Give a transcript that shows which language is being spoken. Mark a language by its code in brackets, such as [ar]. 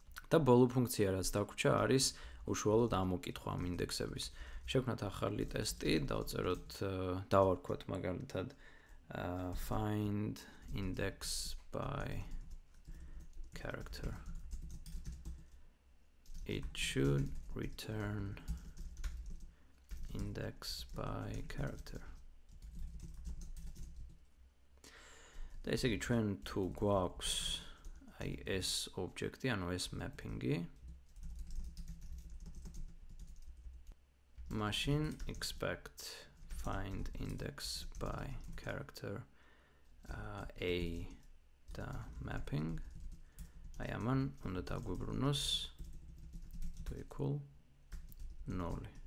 [ka] და ბოლო ფუნქცია, რაც დაგვრჩა, არის უშუალოდ ამოკითხვა ამ ინდექსების. შევქნათ ახალი ტესტი, დავწეროთ, დავარქვათ მაგალითად find index by character. [en] It should return index by character. [ka] და ესე იგი ჩვენ თუ გვაქვს აი ეს ობიექტი, ანუ ეს mapping-ი, machine expect find index by character a და mapping აი ამან უნდა დაგვიბრუნოს to equal 0.